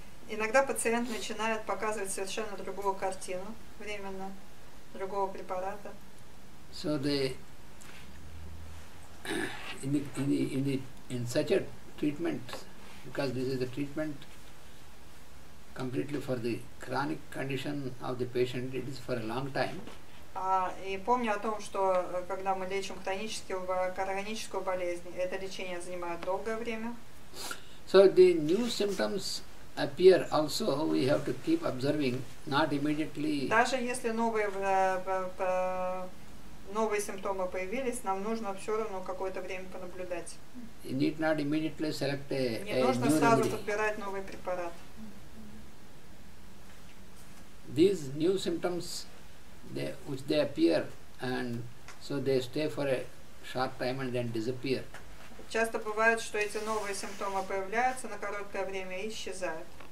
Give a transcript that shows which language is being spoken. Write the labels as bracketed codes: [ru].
[ru] Иногда пациент начинает показывать совершенно другую картину временно, другого препарата. [en] So in such a treatment, because this is a treatment completely for the chronic condition of the patient, it is for a long time. [ru] И помню о том, что когда мы лечим хроническую болезнь, это лечение занимает долгое время. [en] So the new symptoms appear also, we have to keep observing, not immediately. [ru] Даже если новые симптомы появились, нам нужно все равно какое-то время понаблюдать. [en] You need not immediately select a new remedy. [ru] Не нужно сразу подбирать новый препарат. [en] These new symptoms, which they appear, and so they stay for a short time and then disappear. [ru] Часто бывает, что эти новые симптомы появляются на короткое время и исчезают.